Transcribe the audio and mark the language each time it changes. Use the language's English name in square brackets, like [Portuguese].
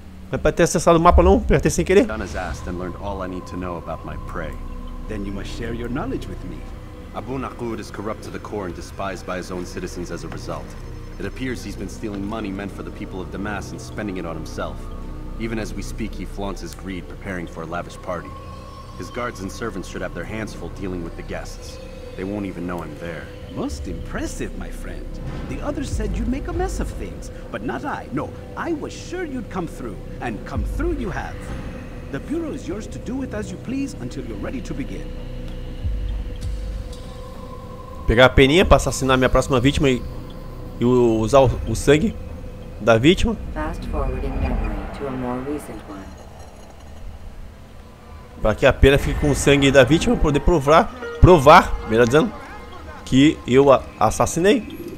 [Portuguese] Não é pra ter acessado o mapa não, apertei sem querer. [English] Done as asked and learned all I need to know about my prey. Then you must share your knowledge with me. Abu Naqud is corrupt to the core and despised by his own citizens as a result. It appears he's been stealing money meant for the people of Damas and spending it on himself. Even as we speak, he flaunts his greed, preparing for a lavish party. His guards and servants should have their hands full dealing with the guests. They won't even know I'm there. Most impressive, my friend. The others said you'd make a mess of things, but not I. No, I was sure you'd come through, and come through you have. The bureau is yours to do with as you please until you're ready to begin. [Portuguese] Pegar a peninha para assassinar minha próxima vítima e usar o sangue da vítima. [English] Fast forwarding memory to a more recent one. [Portuguese] Para que a pena fique com o sangue da vítima, poder provar, melhor dizendo, que eu a assassinei.